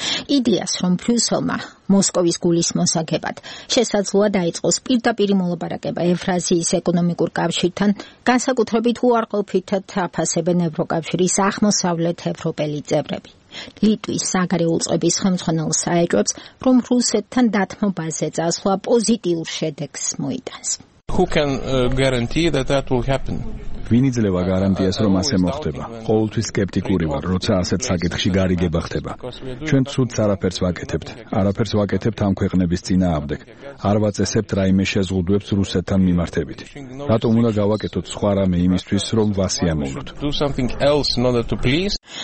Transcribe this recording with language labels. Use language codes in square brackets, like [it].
[ka] იდეას, რომ ბრიუსელმა მოსკოვის გულის მოსაგებად შესაძლოა დაიწყოს პირდაპირი მოლაპარაკება ევრაზიის ეკონომიკურ კავშირთან, განსაკუთრებით უარყოფითად აფასებენ ევროკავშირის აღმოსავლეთ ევროპელი წევრები. ლიტვის საგარეო უწყების ხელმძღვანელ საეჭვებს, რომ რუსეთთან დათმობაზე წასვლა პოზიტიურ შედეგს მოიტანს. [en] Who can guarantee that will happen? [ka] ვინ იძლევა გარანტიას, რომ ასე მოხდება? ყოველთვის სკეპტიკური ვარ, როცა ასეთ საკითხში გარიგება ხდება. ჩვენ ცუდს არაფერს ვაკეთებთ. არაფერს ვაკეთებთ ამ ქვეყნების წინააღმდეგ. არ ვაწესებთ რაიმე შეზღუდვებს რუსეთთან მიმართებით. რატომ უნდა გავაკეთოთ სხვა რამე იმისთვის, რომ ვასიამოვნოთ?